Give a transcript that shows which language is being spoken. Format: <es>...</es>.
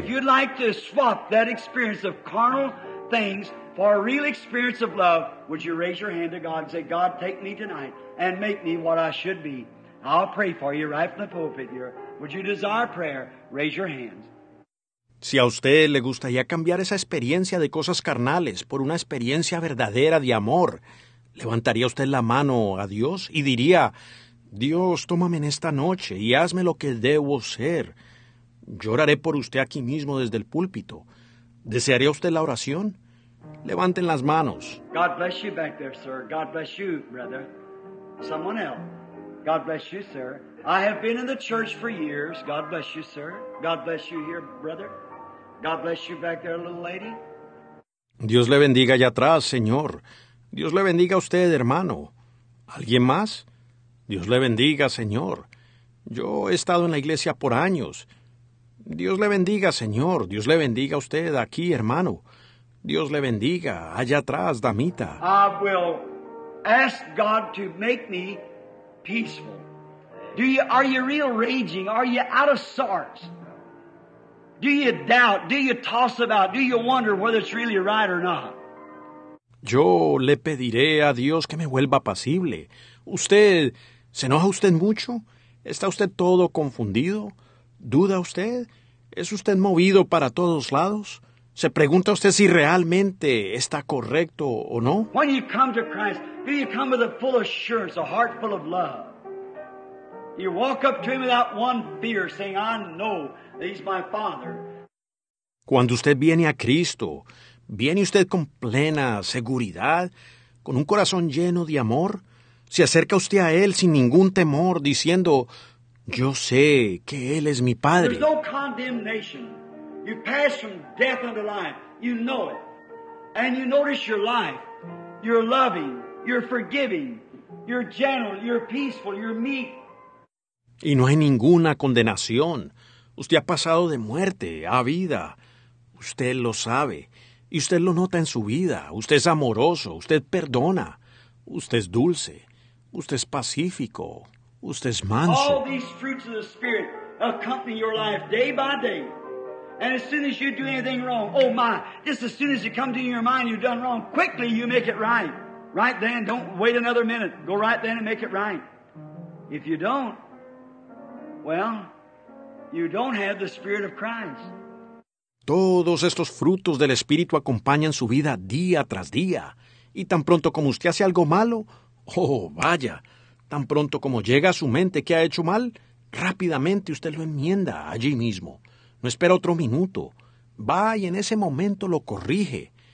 <en>If you'd like to swap that experience of carnal things for a real experience of love, would you raise your hand to God and say, God, take me tonight and make me what I should be. I'll pray for you right from the pulpit here. Would you desire prayer? Raise your hands.</en> <es>Si a usted le gustaría cambiar esa experiencia de cosas carnales por una experiencia verdadera de amor, levantaría usted la mano a Dios y diría, Dios, tómame en esta noche y hazme lo que debo ser. Lloraré por usted aquí mismo desde el púlpito. ¿Desearía usted la oración? Levanten las manos.</es> <en>God bless you back there, sir. God bless you, brother. Someone else. God bless you, sir. I have been in the church for years. God bless you, sir. God bless you here, brother. God bless you back there, little lady.</en> <es>Dios le bendiga allá atrás, señor. Dios le bendiga a usted, hermano. ¿Alguien más? Dios le bendiga, señor. Yo he estado en la iglesia por años. Dios le bendiga, señor. Dios le bendiga a usted aquí, hermano. Dios le bendiga allá atrás, damita.</es> <en>I will ask God to make me peaceful. Are you real raging? Are you out of sorts? Do you doubt? Do you toss about? Do you wonder whether it's really right or not?</en> <es>Yo le pediré a Dios que me vuelva apacible. ¿Usted se enoja usted mucho? ¿Está usted todo confundido? ¿Duda usted? ¿Es usted movido para todos lados? ¿Se pregunta usted si realmente está correcto o no?</es> <en>When you come to Christ, do you come with a full assurance, a heart full of love? You walk up to him without one fear, saying, I know that he's my Father.</en> <es>Cuando usted viene a Cristo, ¿viene usted con plena seguridad, con un corazón lleno de amor? ¿Se acerca usted a él sin ningún temor, diciendo, yo sé que él es mi Padre?</es> <en>There's no condemnation. You pass from death unto life. You know it. And you notice your life. You're loving. You're forgiving. You're gentle. You're peaceful. You're meek.</en> <es>Y no hay ninguna condenación. Usted ha pasado de muerte a vida. Usted lo sabe. Y usted lo nota en su vida. Usted es amoroso. Usted perdona. Usted es dulce. Usted es pacífico. Usted es manso.</es> <en>All these fruits of the Spirit accompany your life day by day. And as soon as you do anything wrong, oh my, just as soon as it comes in your mind you've done wrong, quickly you make it right. Right then, don't wait another minute. Go right then and make it right. If you don't, well, you don't have the Spirit of Christ.</en> <es>Todos estos frutos del Espíritu acompañan su vida día tras día. Y tan pronto como usted hace algo malo, oh, vaya, tan pronto como llega a su mente que ha hecho mal, rápidamente usted lo enmienda allí mismo. No espera otro minuto. Va y en ese momento lo corrige.</es>